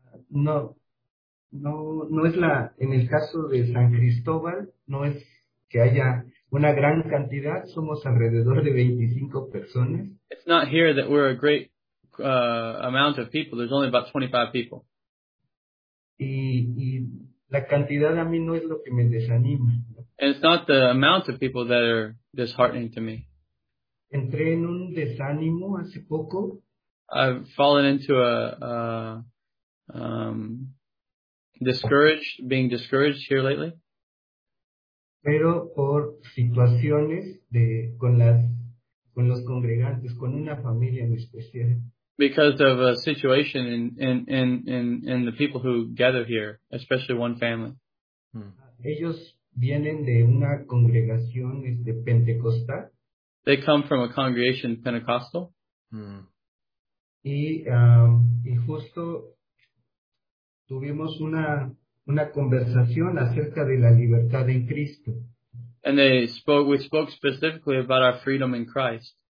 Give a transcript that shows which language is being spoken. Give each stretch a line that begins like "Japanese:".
Spanish: No es la, en el caso de San Cristóbal, no es que haya una gran cantidad, somos alrededor de 25 personas.
English: It's not here that we're a great amount of people, there's only about 25 people.
Spanish: Y la cantidad a mí no es lo que me desanima.
English: And it's not the amount of people that are disheartening to me.
Spanish: Entré en un desánimo hace poco.
English: I've fallen into being discouraged here lately.
Spanish: Pero por situaciones de con los congregantes, con una familia en especial.
English: Because of a situation in the people who gather here, especially one family.
Spanish: Ellos vienen de una congregación de pentecostal.
English: They come from a congregation Pentecostal.
Spanish: Y justo tuvimos una conversación acerca de la libertad en Cristo.
English: And we spoke specifically about our freedom in Christ.